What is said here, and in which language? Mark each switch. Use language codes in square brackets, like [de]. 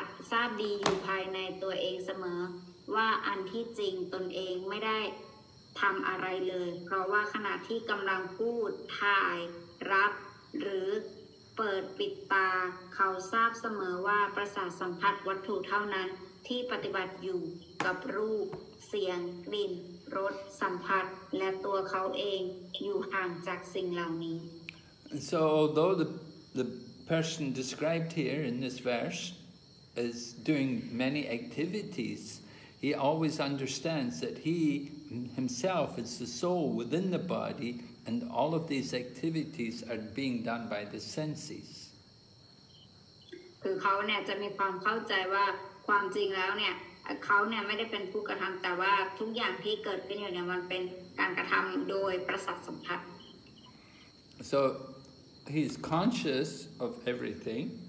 [th] ทราบดีอยู่ภายในตัวเองเสมอว่าอันที่จริงตนเองไม่ได้ทำอะไรเลยเพราะว่าขณะที่กำลังพูดถ่ายรับหรือเปิดปิดตาเขาทราบเสมอว่าประสาทสัมผัสวัตถุเท่านั้นที่ปฏิบัติอยู่กับรูปเสียงกลิ่นรสสัมผัสและตัวเขาเองอยู่ห่างจากสิ่งเหล่านี้ [en] So although the person described here in this verse is doing many activities he always understands that he himself is the soul within the bodyAnd all of these activities are being done by the senses. [th] คือเขาเนี่ยจะมีความเข้าใจว่าความจริงแล้วเนี่ยเขาเนี่ยไม่ได้เป็นผู้กระทำแต่ว่าทุกอย่างที่เกิดขึ้นอยู่เนี่ยมันเป็นการกระทำโดยประสาทสัมผัส [en] So he's conscious of everything.